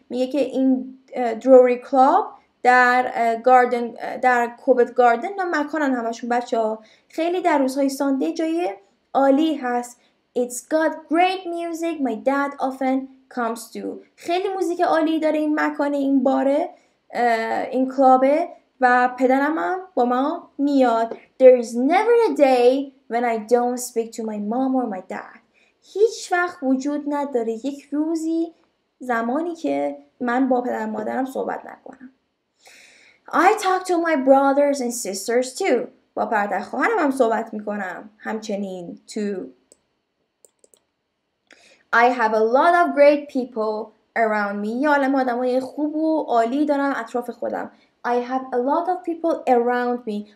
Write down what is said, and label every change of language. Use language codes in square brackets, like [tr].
[fa] میگه که این Drury Club در گاردن، در کووت گاردن، نه مکانن همشون بچه ها، خیلی در روزهای سانده جای عالی هست. [en] It's got great music, my dad often comes to. [fa] خیلی موزیک عالی داره این مکان، این باره، این کلابه، و پدرم هم با ما میاد. [en] There is never a day when I don't speak to my mom or my dad. [fa] هیچ وقت وجود نداره یک روزی، زمانی که من با پدر مادرم صحبت نکنم. [en] I talk to my brothers and sisters too. [fa] با پدر خواهرم هم صحبت میکنم همچنین too. [en] I have a lot of great people around me. [fa] یه عالم آدم های خوب و عالی دارم اطراف خودم. [en] I have a lot of people around me.